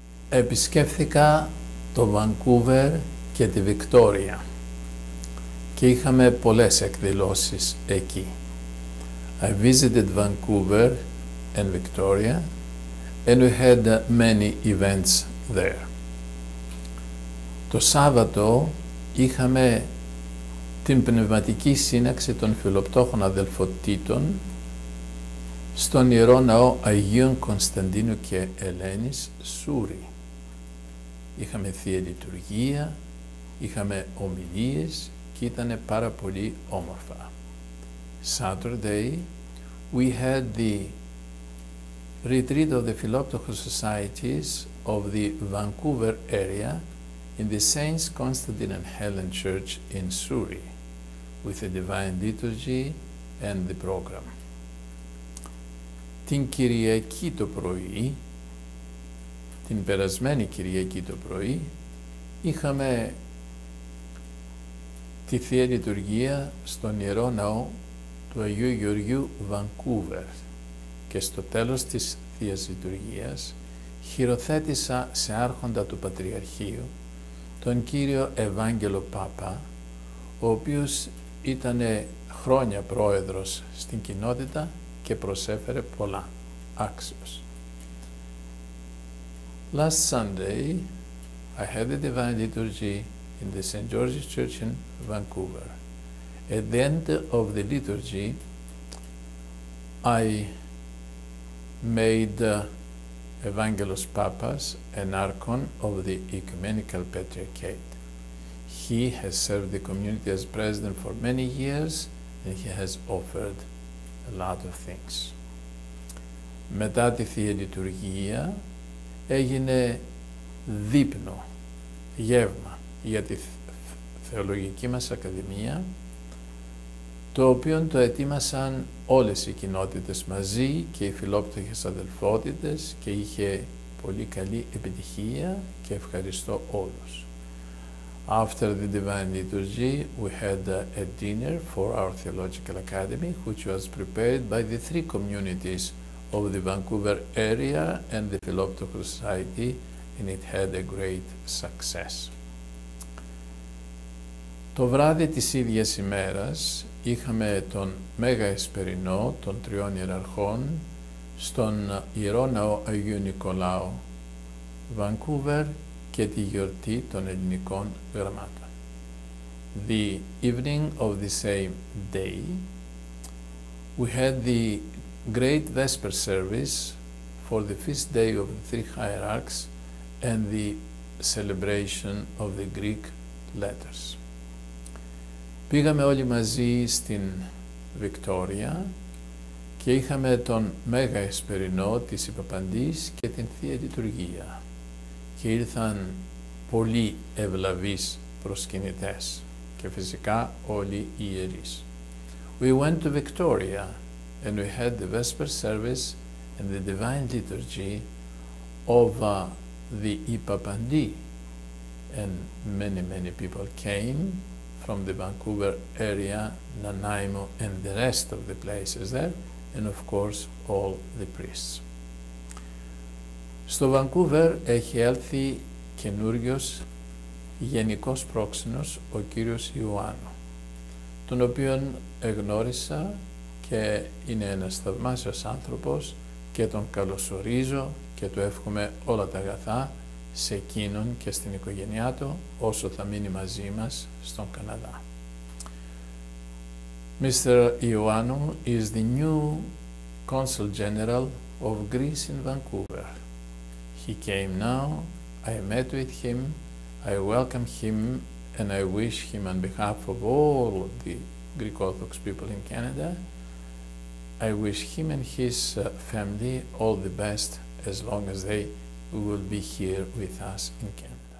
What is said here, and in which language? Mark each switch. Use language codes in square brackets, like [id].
[el] Επισκέφθηκα το Βανκούβερ και τη Βικτόρια και είχαμε πολλές εκδηλώσεις εκεί. [en] I visited Vancouver and Victoria and we had many events there. [el] Το Σάββατο είχαμε την πνευματική σύναξη των φιλοπτώχων αδελφοτήτων στον Ιερό Ναό Αγίων Κωνσταντίνου και Ελένης, Σούρι. Είχαμε θεία λειτουργία, είχαμε ομιλίες και ήταν πάρα πολύ όμορφα. [en] Saturday, we had the retreat of the Philoptochos Societies of the Vancouver area in the Saints Constantine and Helen Church in Surrey with a divine liturgy and the program. [el] Την Κυριακή το πρωί, την περασμένη Κυριακή το πρωί, είχαμε τη Θεία Λειτουργία στον Ιερό Ναό του Αγίου Γεωργίου Βανκούβερ και στο τέλος της Θείας Λειτουργίας χειροθέτησα σε άρχοντα του Πατριαρχείου τον κύριο Ευάγγελο Πάπα, ο οποίος ήταν χρόνια πρόεδρος στην κοινότητα και προσέφερε πολλά άξιος. [en] Last Sunday, I had the Divine Liturgy in the St. George's Church in Vancouver. At the end of the liturgy, I made Evangelos Papas an archon of the Ecumenical Patriarchate. He has served the community as president for many years, and he has offered a lot of things. [el] Μετά τη Θεία Λειτουργία, έγινε δείπνο, γεύμα για τη Θεολογική μας Ακαδημία, το οποίο το ετοίμασαν όλες οι κοινότητες μαζί και οι φιλόπτωχες αδελφότητες και είχε πολύ καλή επιτυχία και ευχαριστώ όλους. [en] After the Divine Liturgy, we had a dinner for our Theological Academy, which was prepared by the three communities of the Vancouver area and the Philoptical Society, and it had a great success. [el] Το βράδυ της ίδιας ημέρας είχαμε τον Μέγα Εσπερινό των Τριών Ιεραρχών στον Ιερό Ναό Αγίου Νικολάου Vancouver και τη γιορτή των ελληνικών γραμμάτων. [en] The evening of the same day, we had the great Vesper service for the feast day of the three hierarchs and the celebration of the Greek letters. [el] Πήγαμε όλοι μαζί στην Βικτόρια και είχαμε τον Μέγα Εσπερινό της Υπαπαντής και την Θεία Λειτουργία και ήρθαν πολύ ευλαβείς προσκυνητές και φυσικά όλοι οι ιερείς. [en] We went to Victoria and we had the Vesper service and the Divine Liturgy of the Ipapandi, and many, many people came from the Vancouver area, Nanaimo, and the rest of the places there, and of course all the priests. [el] Στο Vancouver έχει έλθει καινούργιος γενικός πρόξενος, ο κύριος Ιωάννου, τον οποίον εγνώρισα και είναι ένας θαυμάσιος άνθρωπος και τον καλωσορίζω και του εύχομαι όλα τα αγαθά σε εκείνον και στην οικογένειά του όσο θα μείνει μαζί μας στον Καναδά. [en] Mr. Ioannou is the new Consul General of Greece in Vancouver. He came now, I met with him, I welcome him and I wish him on behalf of all the Greek Orthodox people in Canada, I wish him and his family all the best as long as they will be here with us in Canada.